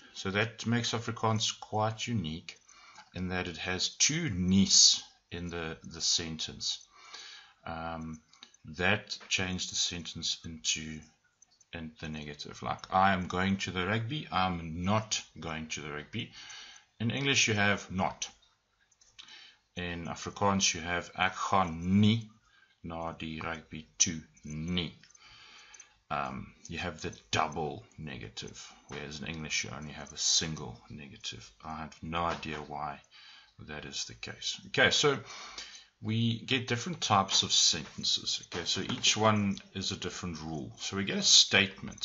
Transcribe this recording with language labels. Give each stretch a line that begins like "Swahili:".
English: So that makes Afrikaans quite unique in that it has two ni's in the sentence. That changed the sentence into the negative. Like, I am going to the rugby, I'm not going to the rugby. In English you have not. In Afrikaans you have
Afrikaans: ek gaan nie na die rugby toe nie.
English: You have the double negative, whereas in English you only have a single negative. I have no idea why that is the case. Okay, so we get different types of sentences. Okay, so each one is a different rule. So we get a statement.